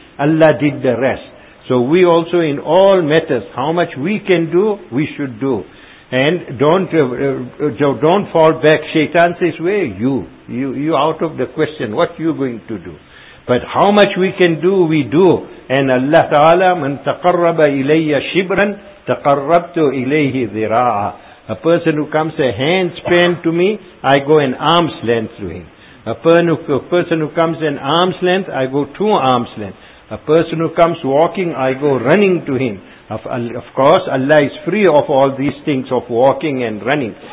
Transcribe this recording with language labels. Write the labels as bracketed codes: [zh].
[en] Allah did the rest. So we also in all matters, how much we can do, we should do. And don't fall back. Shaitan says, where are you? You out of the question. What are you going to do? But how much we can do, we do. And Allah Ta'ala, [ar] من تقرب إلي شبرا تقربت إليه ذراعا. [en] A person who comes a hand span to me, I go an arm's length to him. A person who comes an arm's length, I go 2 arm's length. A person who comes walking, I go running to him. Of course, Allah is free of all these things of walking and running.